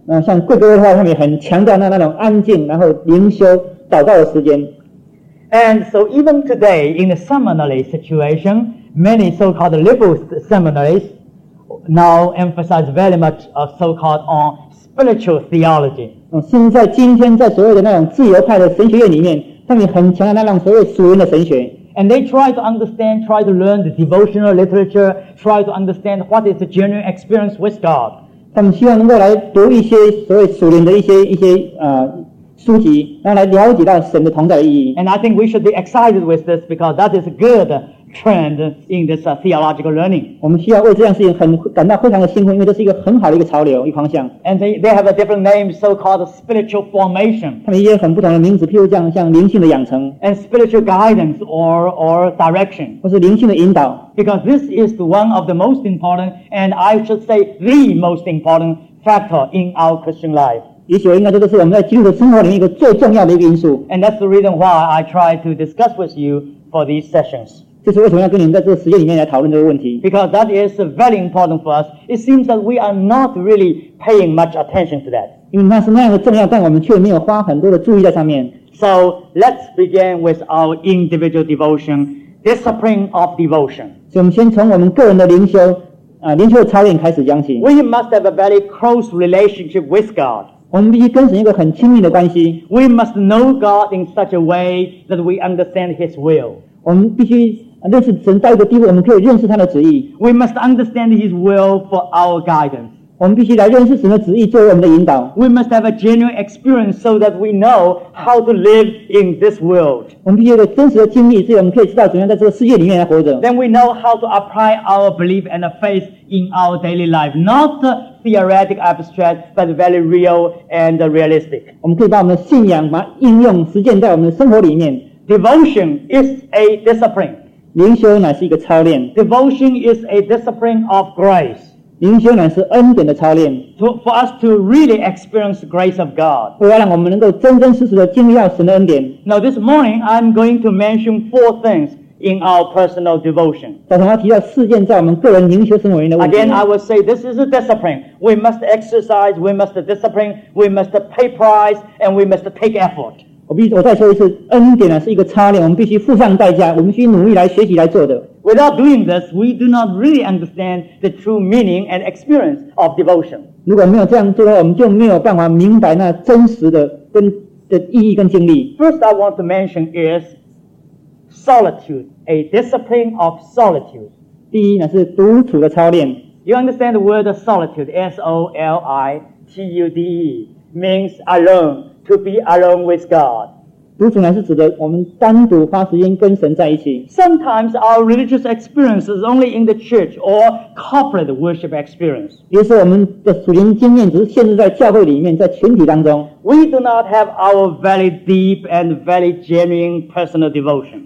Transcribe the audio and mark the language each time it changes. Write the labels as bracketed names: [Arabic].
[Chinese] 像贵州的话，他们很强调那种安静，然后灵修祷告的时间。 [English] And so even today in the seminary situation, many so-called liberal seminaries now emphasize very much of so-called on spiritual theology. [Chinese] 现在今天在所谓的那种自由派的神学院里面，他们很强调那种所谓属灵的神学。 [English] And they try to understand, try to learn the devotional literature, try to understand what is the genuine experience with God. [Chinese] 他们希望能够来读一些所谓属灵的一些书籍，然后来了解到神的同在的意义。 [English] And I think we should be excited with this because that is good trend in this theological learning. [Chinese] 我们需要为这样事情很感到非常的兴奋，因为这是一个很好的一个潮流，一个方向。 [English] And they have a different name, so-called spiritual formation. [Chinese] 他们一些很不同的名字，譬如像灵性的养成。 [English] And spiritual guidance or direction. [Chinese] 或是灵性的引导。 [English] Because this is one of the most important, and I should say the most important factor in our Christian life. [Chinese] 也许应该这个是我们在基督的生活里面一个最重要的一个因素。 [English] And that's the reason why I try to discuss with you for these sessions. [Chinese] 这是为什么要跟你们在这个实验里面来讨论这个问题。 [English] Because that is very important for us. It seems that we are not really paying much attention to that. [Chinese] 因为那是那样的重要，但我们却没有花很多的注意在上面。 [English] So let's begin with our individual devotion, discipline of devotion. [Chinese] 所以我们先从我们个人的灵修，灵修的操练开始讲起。 [English] We must have a very close relationship with God. [Chinese] 我们必须跟神一个很亲密的关系。 [English] We must know God in such a way that we understand His will. [Chinese] 我们必须认识神到一个地步，我们可以认识他的旨意。 [English] We must understand His will for our guidance. [Chinese] 我们必须来认识神的旨意作为我们的引导。 [English] We must have a genuine experience so that we know how to live in this world. [Chinese] 我们必须有真实的经历，所以我们可以知道怎么样在这个世界里面来活着。 [English] Then we know how to apply our belief and faith in our daily life, not. Theoretic, abstract, but very real and realistic. [Chinese] 我们可以把我们的信仰把应用实践在我们的生活里面。 [English] Devotion is a discipline. [Chinese] 灵修乃是一个操练。 [English] Devotion is a discipline of grace. [Chinese] 灵修乃是恩典的操练。 [English] For us to really experience the grace of God. [Chinese] 为了让我们能够真真实实的经历到神的恩典。 [English] Now this morning, I'm going to mention four things. In our personal devotion. [Chinese] 早上要提到四件在我们个人灵修生活里的问题。 [English] Again, I would say this is a discipline. We must exercise, we must discipline, we must pay price, and we must take effort. [Chinese] 我再说一次，恩典是一个操练，我们必须付上代价，我们必须努力来学习来做的。 [English] Without doing this, we do not really understand the true meaning and experience of devotion. [Chinese] 如果没有这样做的话，我们就没有办法明白那真实的跟的意义跟经历。 [English] First, I want to mention is. Solitude, a discipline of solitude. [Chinese] 第一乃是独处的操练。 [English] You understand the word solitude, S-O-L-I-T-U-D-E, means alone, to be alone with God. [Chinese] 独处乃是指的我们单独花时间跟神在一起。 [English] Sometimes our religious experience is only in the church or corporate worship experience. [Chinese] 也是我们的属灵经验只是限制在教会里面，在群体当中。 [English] We do not have our very deep and very genuine personal devotion.